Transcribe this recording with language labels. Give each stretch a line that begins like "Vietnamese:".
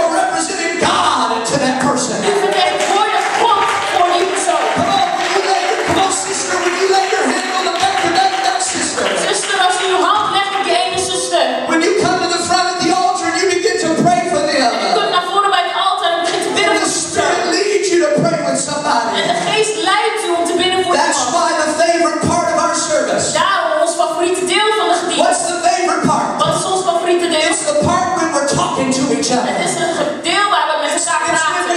English: You are representing God to that person.
Dutch: U vertegenwoordigt God voor die persoon.
English: Come on, will you lay your, come on, sister, will you lay your hand on the back of that, that sister?
Dutch: Zuster, als u uw hand legt op die ene zuster.
English: When you come to the front of the altar and you begin to pray for them.
Dutch: En u komt naar voren bij het altaar en begint te bidden.
English: The Spirit leads you to pray with somebody.
Dutch: En de Geest leidt u om te bidden voor iemand.
English: That's why the favorite part of our service.
Dutch: Daarom ons favoriete deel van de gediening.
English: What's the favorite part?
Dutch: Wat is ons favoriete deel?
English: It's the part when we're talking to each other.
Dutch: Het is het deel waar we met elkaar praten.